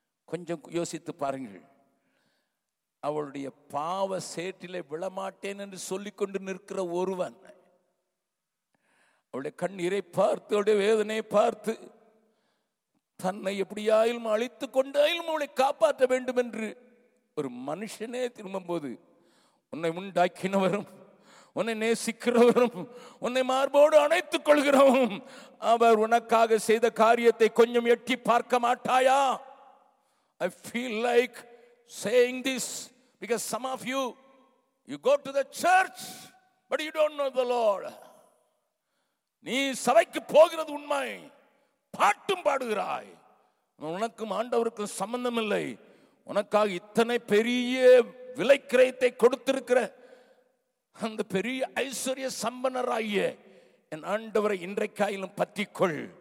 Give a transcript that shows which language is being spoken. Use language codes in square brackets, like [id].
[ta] கொஞ்சம் யோசித்து பாருங்கள், அவளுடைய பாவ சேற்றிலே விழமாட்டேன் என்று சொல்லிக்கொண்டு நிற்கிற ஒருவன் அவளுடைய கண்ணீரை பார்த்து அவளுடைய வேதனையை பார்த்து தன்னை எப்படியாயிலும் அழித்து கொண்டாயிலும் அவளை காப்பாற்ற வேண்டும் என்று ஒரு மனுஷனே திரும்பும் போது, உன்னை உண்டாக்கினவரும் உன்னை நேசிக்கிறவரும் உன்னை மார்போடு அணைத்துக் கொள்கிறவரும் அவர் உனக்காக செய்த காரியத்தை கொஞ்சம் எட்டி பார்க்க மாட்டாயா? [en] I feel like saying this because some of you, you go to the church but you don't know the Lord. [ta] நீ சபைக்கு போகிறது உண்மை, பாட்டும் பாடுகிறாய், உனக்கும் ஆண்டவருக்கும் சம்பந்தம் இல்லை. உனக்காக இத்தனை பெரிய விலை கிரயத்தை கொடுத்திருக்கிற அந்த பெரிய ஐஸ்வர்ய சம்பன்னராகிய என் ஆண்டவரை இன்றைக்காயிலும் பற்றிக்கொள்.